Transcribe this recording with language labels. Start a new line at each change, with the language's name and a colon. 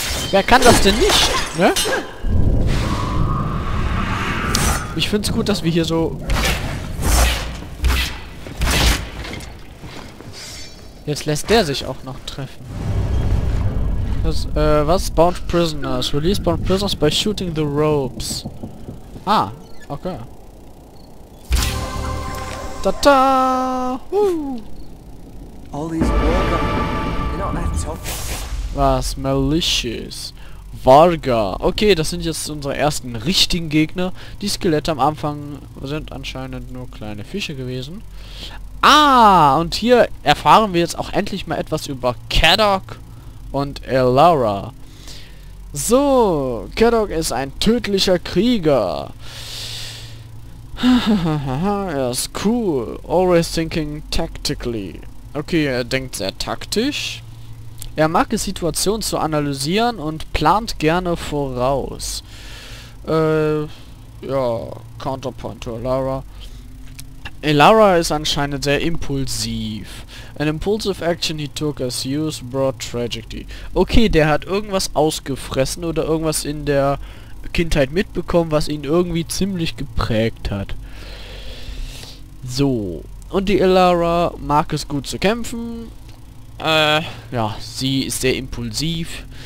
German: Wer kann das denn nicht, ne? Ich find's gut, dass wir hier so... Jetzt lässt der sich auch noch treffen. Das, was? Bound Prisoners.
English: Release Bound Prisoners by shooting the ropes. Ah, okay. Ta-da! All these Varga, they're not that tough.
German: Was? Malicious. Varga. Okay, das sind jetzt unsere ersten richtigen Gegner. Die Skelette am Anfang sind anscheinend nur kleine Fische gewesen. Ah, und hier erfahren wir jetzt auch endlich mal etwas über Kaddock und Elara. So, Kaddock ist ein tödlicher Krieger. Er ist cool.
English: Always thinking tactically.
German: Okay, er denkt sehr taktisch. Er mag es, Situationen zu analysieren und plant gerne voraus. Ja,
English: Counterpoint to Elara.
German: Elara ist anscheinend sehr impulsiv.
English: An impulsive action he took as use brought tragedy.
German: Okay, der hat irgendwas ausgefressen oder irgendwas in der Kindheit mitbekommen, was ihn irgendwie ziemlich geprägt hat. So. Und die Elara mag es gut zu kämpfen. Ja, sie ist sehr impulsiv.